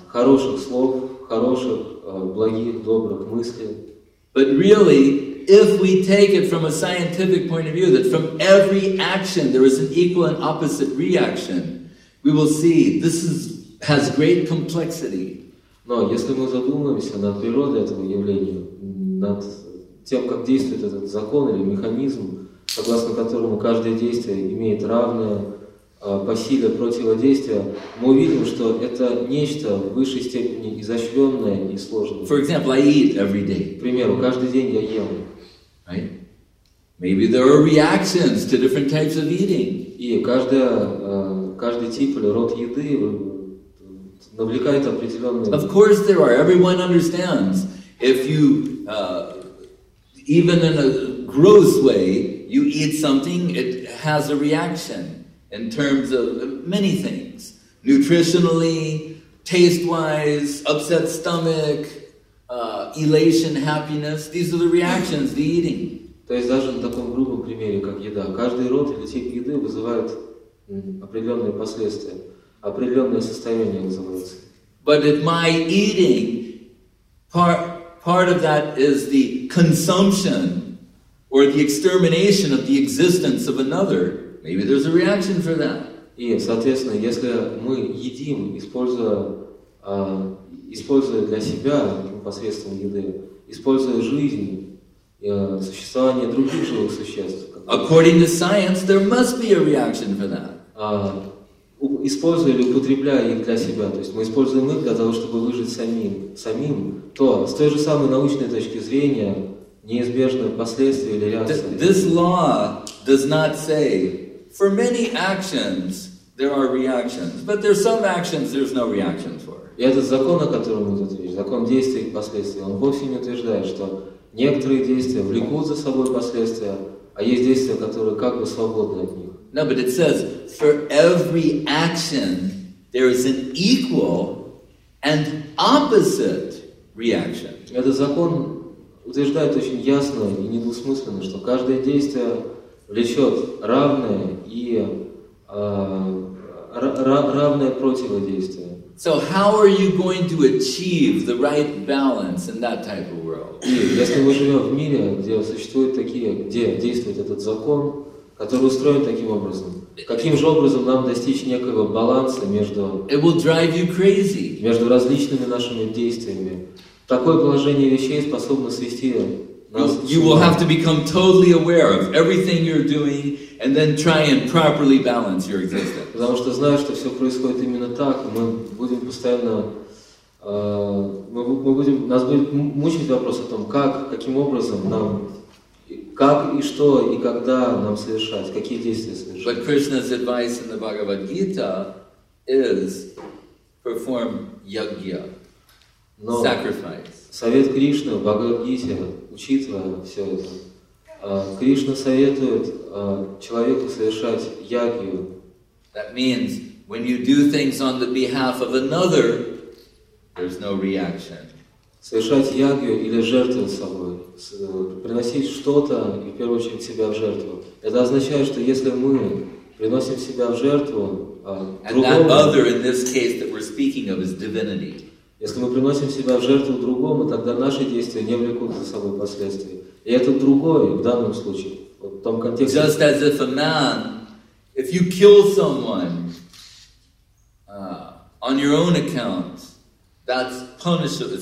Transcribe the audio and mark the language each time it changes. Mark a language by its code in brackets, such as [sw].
[ru] Хороших слов, хороших, благих, добрых мыслей. [en] But really, if we take it from a scientific point of view, that from every action there is an equal and opposite reaction, we will see this is, has great complexity. [ru] Но если мы задумаемся над природой этого явления, над тем, как действует этот закон или механизм, согласно которому каждое действие имеет равное по силе противодействия, мы увидим, что это нечто в высшей степени изощренное и сложное. [en] For example, I eat every day. [ru] К примеру, каждый день я ем. [en] Right? Maybe there are reactions to different types of eating. [ru] И каждая, каждый тип или род еды навлекает определенные... [en] Of course there are. Everyone understands. If you, even in a gross way, you eat something, it has a reaction in terms of many things. Nutritionally, taste-wise, upset stomach, elation, happiness. These are the reactions, the eating. [ru] То есть даже на таком грубом примере, как еда, каждый род или тип еды вызывает определенные последствия. Определенное состояние называется. [en] But if my eating, part of that is the consumption or the extermination of the existence of another, maybe there's a reaction for that. [ru] И, соответственно, если мы едим, используя для себя посредством еды, используя жизнь, существование других живых существ. [en] According to science, there must be a reaction for that. [ru] Используя или употребляя их для себя, то есть мы используем их для того, чтобы выжить самим, то с той же самой научной точки зрения неизбежны последствия или реакции. [en] This law does not say for many actions there are reactions, but there's some actions there's no reactions for. [ru] И этот закон, о котором идет речь, закон действий и последствий, он вовсе не утверждает, что некоторые действия влекут за собой последствия, а есть действия, которые как бы свободны от них. [en] No, but it says, for every action, there is an equal and opposite reaction. [ru] Этот закон утверждает очень ясно и недвусмысленно, что каждое действие влечет равное и равное противодействие. [en] So how are you going to achieve the right balance in that type of world? [ru] Если мы живем в мире, где существуют такие, где действует этот закон, который устроен таким образом. Каким же образом нам достичь некого баланса между, [en] it will drive you crazy. [ru] Между различными нашими действиями? Такое положение вещей способно свести нас. [en] You will have to become totally aware of everything you're doing and then try and properly balance your existence. [ru] Потому что знаешь, что все происходит именно так, мы будем постоянно нас будет мучить вопрос о том, каким образом нам. Как и что и когда нам совершать, какие действия совершать. [en] But Krishna's advice in the Bhagavad Gita is perform yagya, sacrifice. [ru] Совет Кришны в Бхагавад Гите, учитывая все это, Кришна советует человеку совершать ягью. [en] That means when you do things on the behalf of another, there's no reaction. [ru] Совершать ягью или жертвовать собой, приносить что-то и, в первую очередь, себя в жертву. Это означает, что если мы приносим себя в жертву другому, если мы приносим себя в жертву другому, тогда наши действия не влекут за собой последствия. И это другое в данном случае, вот в том контексте. [en] Just as if a man, if you kill someone on your own account, that's punishable.